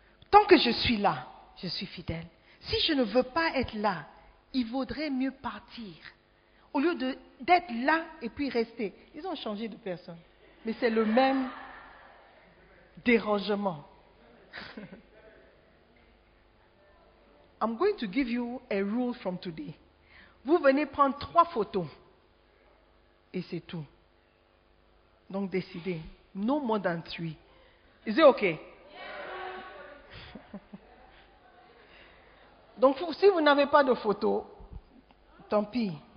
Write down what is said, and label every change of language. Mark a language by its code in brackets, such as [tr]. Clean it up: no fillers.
[fr] Tant que je suis là, je suis fidèle. Si je ne veux pas être là, il vaudrait mieux partir. Au lieu d'être là et puis rester. Ils ont changé de personne. Mais c'est le même dérangement. [en] I'm going to give you a rule from today. [fr] Vous venez prendre 3 photos. Et c'est tout. Donc décidez. [en] No more than 3. Is it okay? [fr] Donc, si vous n'avez pas de photos, tant pis.